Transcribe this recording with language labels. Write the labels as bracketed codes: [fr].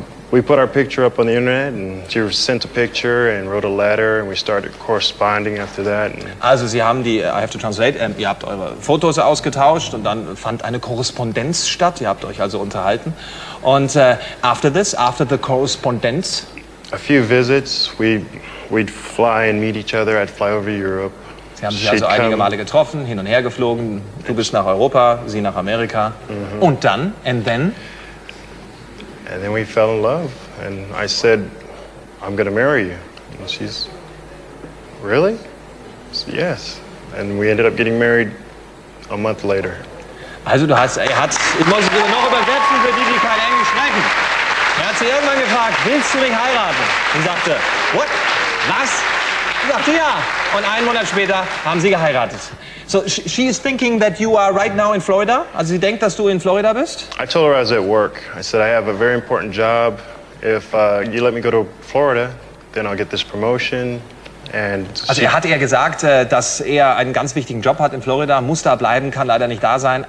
[en] We put our picture up on the Internet and she sent a picture and wrote a letter and we started corresponding after that. [de] Also sie haben die, [en] I have to translate, [de] ihr habt eure Fotos ausgetauscht und dann fand eine Korrespondenz statt, ihr habt euch also unterhalten. [en] Und after the correspondence? A few visits, we'd fly and meet each other, I'd fly over Europe. [de] Wir haben sie also einige Male getroffen, hin und her geflogen. Du bist nach Europa, sie nach Amerika. Mm-hmm. Und dann? [en] And then we fell in love. And I said, I'm gonna marry you. And she's, really? Said, yes. And we ended up getting married a month later. [de] Also du hast, ich muss es noch übersetzen für die, die kein Englisch sprechen. Er hat sie irgendwann gefragt, willst du mich heiraten? Und sagte, what? Was? Sagte ja. Und einen Monat später haben sie geheiratet. [en] So, she is thinking that you are right now in Florida? [de] Also sie denkt, dass du in Florida bist? [en] I told her I was at work. I said, I have a very important job. If you let me go to Florida, then I'll get this promotion. And [de] also er hat ihr gesagt, dass er einen ganz wichtigen Job hat in Florida, muss da bleiben, kann leider nicht da sein.